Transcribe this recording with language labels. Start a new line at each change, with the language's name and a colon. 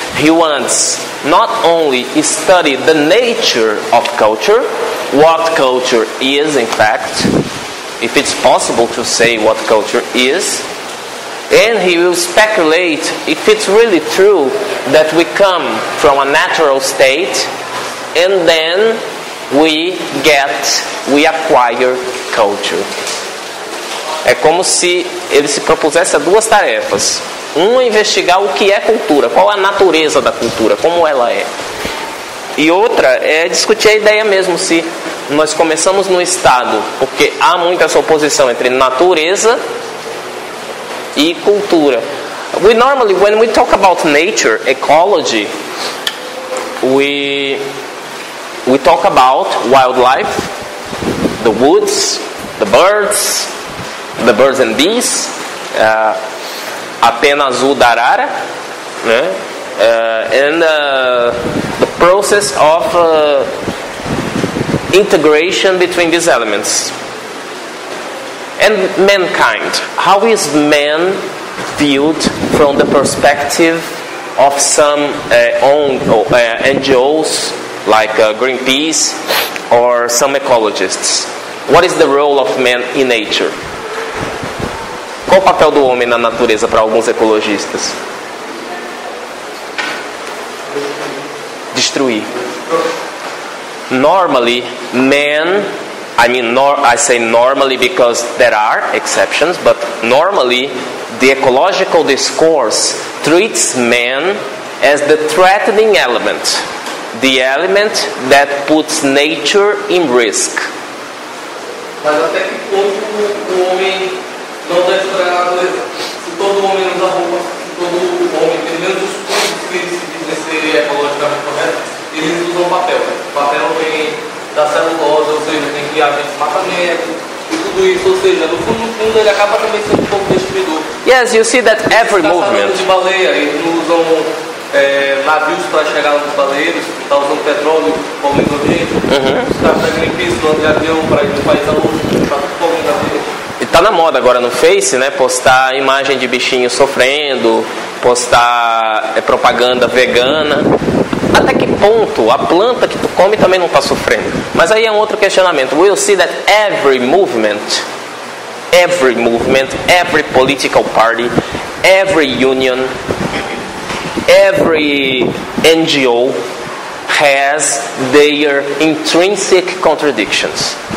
English: He wants not only study the nature of culture, what culture is in fact, if it's possible to say what culture is, and he will speculate if it's really true that we come from a natural state and then we acquire culture.
Portuguese: É como se ele se propusesse a duas tarefas. Uma, investigar o que é cultura, qual a natureza da cultura, como ela é. E outra é discutir a ideia mesmo, se nós começamos no estado, porque há muita essa oposição entre natureza e cultura.
English: We normally, when we talk about nature, ecology, we talk about wildlife, the woods, the birds and bees,
Portuguese: a pena azul da arara, né?
English: And the process of integration between these elements. And mankind, how is man viewed from the perspective of some NGOs like Greenpeace or some ecologists? What is the role of man in nature?
Portuguese: Qual o papel do homem na natureza para alguns ecologistas? Destruir.
English: Normally, man... I say normally because there are exceptions, but normally the ecological discourse treats man as the threatening element, the element that puts nature in risk.
Portuguese: Mas até que ponto o homem não deve estar na natureza? Se todo homem usa roupa, se todo homem, pelo menos os pontos que eles dizem ser ecologicamente corretos, eles usam papel. Papel vem da celulose, ou seja, tem que haver desmatamento e tudo isso, ou seja, no fundo, no fundo ele acaba também sendo um pouco destruidor.
English: Yes, you see that every movement.
Portuguese: De baleia, eles usam navios para chegar nos baleiros, está usando petróleo, poluindo o ambiente. Os caras da Greenpeace usam de avião para ir de um país a outro, está tudo poluindo a vida. E tá na moda agora no Face, né? Postar imagem de bichinho sofrendo, postar propaganda vegana. Até que ponto a planta que tu come também não tá sofrendo? Mas aí é um outro questionamento.
English: We'll see that every movement, every political party, every union, every NGO has their intrinsic contradictions.